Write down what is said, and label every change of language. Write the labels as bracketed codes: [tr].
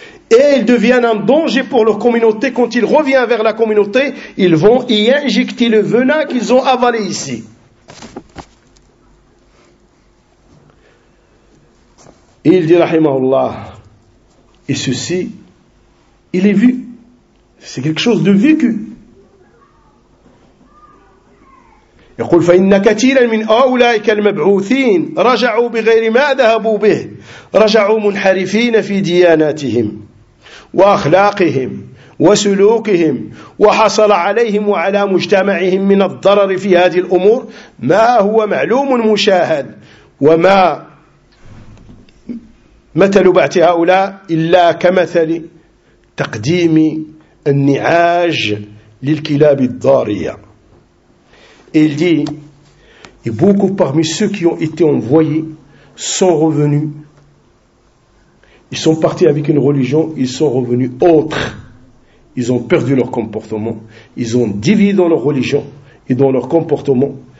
[fr] Et ils deviennent un danger pour leur communauté. Quand ils reviennent vers la communauté, ils vont y injecter le venin qu'ils ont avalé ici. Et il dit, rahimahullah, et ceci, il est vu. C'est quelque chose de vécu. [ar] يقول فإن كثيرا من أولئك المبعوثين رجعوا بغير ما ذهبوا به رجعوا منحرفين في دياناتهم وأخلاقهم وسلوكهم وحصل عليهم وعلى مجتمعهم من الضرر في هذه الأمور ما هو معلوم مشاهد. وما مثل بعث هؤلاء إلا كمثل تقديم النعاج للكلاب الضارية. [fr] Il dit, et beaucoup parmi ceux qui ont été envoyés sont revenus. Ils sont partis avec une religion, ils sont revenus autres. Ils ont perdu leur comportement, ils ont dévié dans leur religion et dans leur comportement.